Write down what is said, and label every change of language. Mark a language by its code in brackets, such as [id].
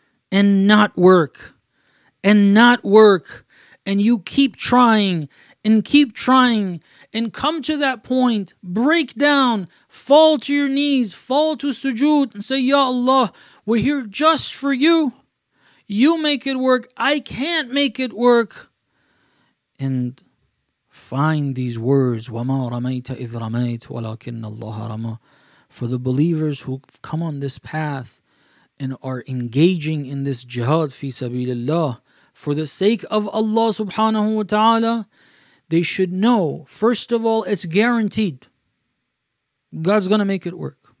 [en] And not work. And not work. And you keep trying and keep trying and come to that point, break down, fall to your knees, fall to sujood and say, Ya Allah, we're here just for you. You make it work. I can't make it work. And find these words, [ar] وَمَا رَمَيْتَ إِذْ رَمَيْتَ وَلَكِنَّ اللَّهَ رَمَى. [en] For the believers who've come on this path and are engaging in this jihad fi sabilillah, for the sake of Allah subhanahu wa ta'ala, they should know, first of all, it's guaranteed. God's going to make it work.